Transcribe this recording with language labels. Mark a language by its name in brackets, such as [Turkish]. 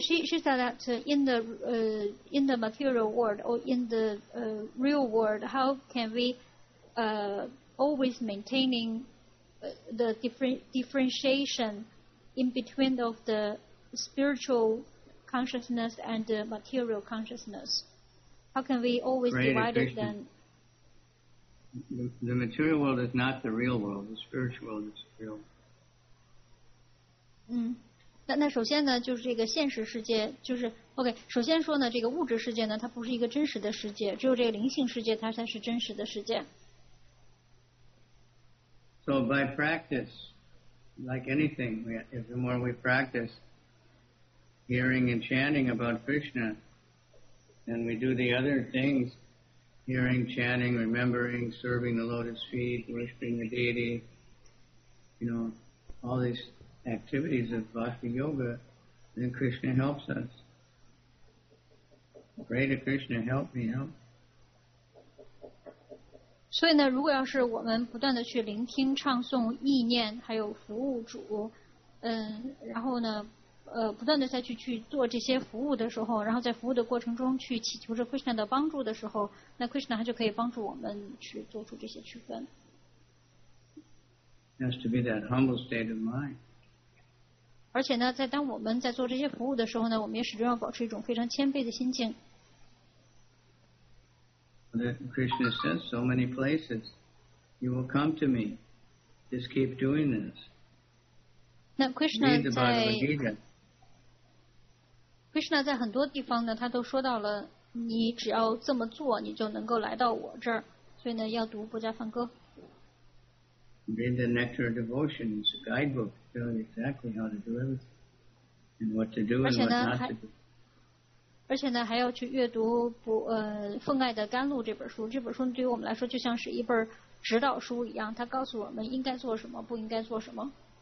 [English] She said that in the material world or in the real world, how can we always maintaining the differentiation in between of the spiritual consciousness and the material consciousness. How can we always divide it then? The material world is not the real world. The spiritual world is real. [Chinese] 那首先呢，就是这个现实世界，就是 OK。首先说呢，这个物质世界呢，它不是一个真实的世界，只有这个灵性世界，它才是真实的世界。 [English] So by practice, like anything, if the more we practice. Hearing and chanting about Krishna, and we do the other things, hearing, chanting, remembering, serving the lotus feet, worshiping the deity, you know, all these activities of bhakti yoga, then Krishna helps us. Pray to Krishna, help me, help. [Chinese] 所以呢，如果要是我们不断的去聆听、唱诵、意念，还有服务主，然后呢？不断的再去做这些服务的时候，然后在服务的过程中去祈求着 Krishna 的帮助的时候，那 Krishna 他就可以帮助我们去做出这些区分。 [English] Has to be that humble state of mind. [Chinese] 而且呢，在当我们在做这些服务的时候呢，我们也始终要保持一种非常谦卑的心境。 [English] Krishna says so many places, you will come to me. Just keep doing this. [Chinese] 那 Krishna 在。 Krishna 在很多地方呢，他都说到了，你只要这么做，你就能够来到我这儿。所以呢，要读《博迦梵歌》。 [English] Read the Nectar of Devotion, it's a guidebook, tells you exactly how to do everything and what to do and what not to do. [Chinese] 而且呢，还要去阅读《奉爱的甘露》这本书。这本书对于我们来说，就像是一本指导书一样，它告诉我们应该做什么，不应该做什么。